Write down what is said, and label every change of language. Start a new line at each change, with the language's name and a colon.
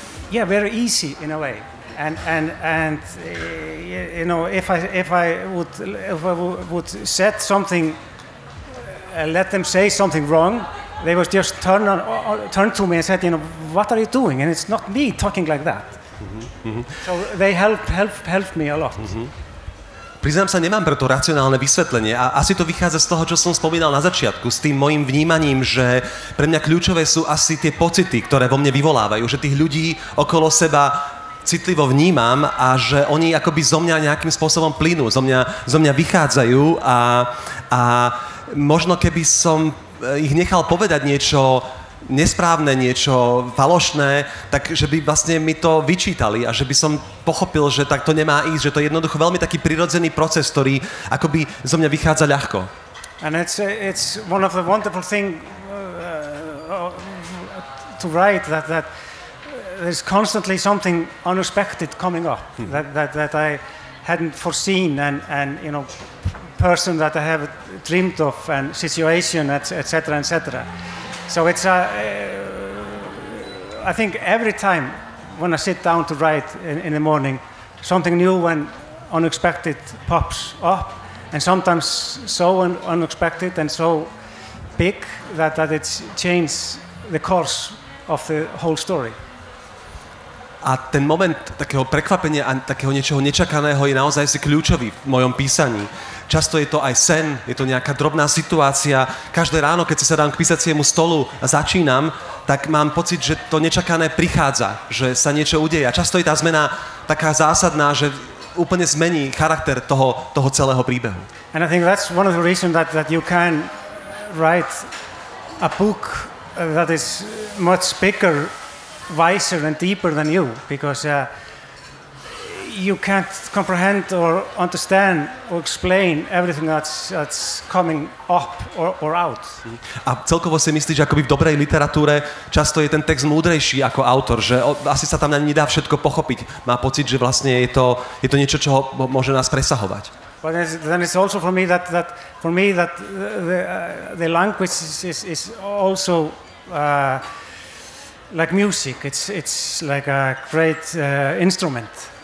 English: Yeah, very easy in a way. And you know, if I would set something, let them say something wrong, they would just turn to me and said, you know, what are you doing? And it's not me talking like that. Mm-hmm. So they help me a lot. Mm-hmm.
Slovak: Priznám sa, nemám preto racionálne vysvetlenie a asi to vychádza z toho, čo som spomínal na začiatku, s tým mojim vnímaním, že pre mňa kľúčové sú asi tie pocity, ktoré vo mne vyvolávajú, že tých ľudí okolo seba citlivo vnímam a že oni akoby zo mňa nejakým spôsobom plynú, zo mňa vychádzajú a možno keby som ich nechal povedať niečo nesprávne, niečo falošné, tak že by vlastne mi to vyčítali a že by som pochopil, že tak to nemá ísť, že to je jednoducho veľmi taký prirodzený proces, ktorý akoby zo mňa vychádza ľahko.
English: And it's one of the wonderful thing to write that there's constantly something unexpected coming up that I hadn't foreseen and you know, person that I have dreamed of and situation etc. So it's I think every time when I sit down to write in the morning, something new and unexpected pops up, and sometimes so unexpected and so big that it changes the course of the whole story.
Slovak: A ten moment takého prekvapenia a takého niečoho nečakaného je naozaj si kľúčový v mojom písaní. Často je to aj sen, je to nejaká drobná situácia. Každé ráno, keď si sadám k písaciemu stolu a začínam, tak mám pocit, že to nečakané prichádza, že sa niečo udeje. A často je tá zmena taká zásadná, že úplne zmení charakter toho celého príbehu.
English: And I think that's one of the reasons that you can write a book that is much bigger, wiser and deeper than you, because you can't comprehend or understand or explain everything that's coming up or out.
Slovak: A celkovo si myslíš, že akoby v dobrej literatúre často je ten text múdrejší ako autor, že asi sa tam ani nedá všetko pochopiť. Má pocit, že vlastne je to niečo, čo môže nás presahovať.
English: But then it's also for me that the language is also like music. It's like a great instrument.